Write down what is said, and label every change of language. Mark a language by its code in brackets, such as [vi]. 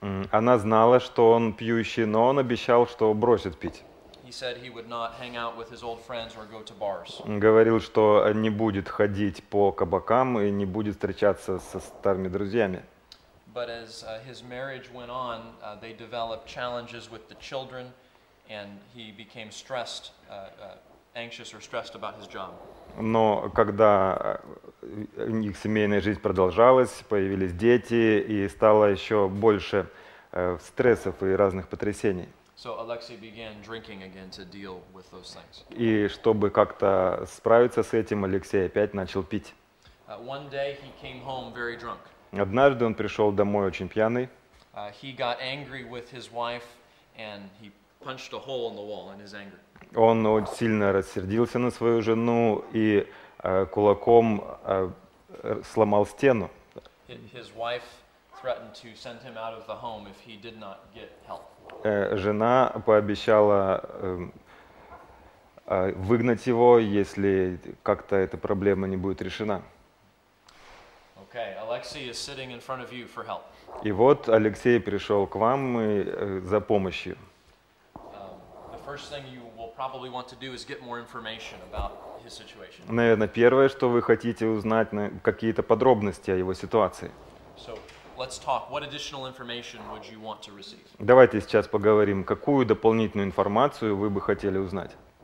[ru] Она знала, что он пьющий, но он обещал, что бросит пить. Он говорил, что не будет ходить по кабакам и не будет встречаться со старыми друзьями. [en] But as his marriage went on, they developed challenges with the children, and he became stressed, anxious or stressed about his job. [ru] Но когда их семейная жизнь продолжалась, появились дети, и стало еще больше стрессов и разных потрясений. [en] So Alexei began drinking again to deal with those things. [ru] И чтобы как-то справиться с этим, Алексей опять начал пить. [en] One day he came home very drunk. [ru] Однажды он пришел домой очень пьяный. [en] He got angry with his wife and he punched a hole in the wall in his anger. [ru] Он очень сильно рассердился на свою жену и кулаком сломал стену. [en] His wife threatened to send him out of the home if he did not get help. [ru] Жена пообещала выгнать его, если как-то эта проблема не будет решена. [en] Okay, Alexei is sitting in front of you for help. [ru] И вот Алексей пришел к вам за помощью. [en] The first thing you will probably want to do is get more information about his situation. [ru] Наверное, первое, что вы хотите узнать, какие-то подробности о его ситуации. [en] So, let's talk. What additional information would you want to receive? [ru] Давайте сейчас поговорим, какую дополнительную информацию вы бы хотели узнать.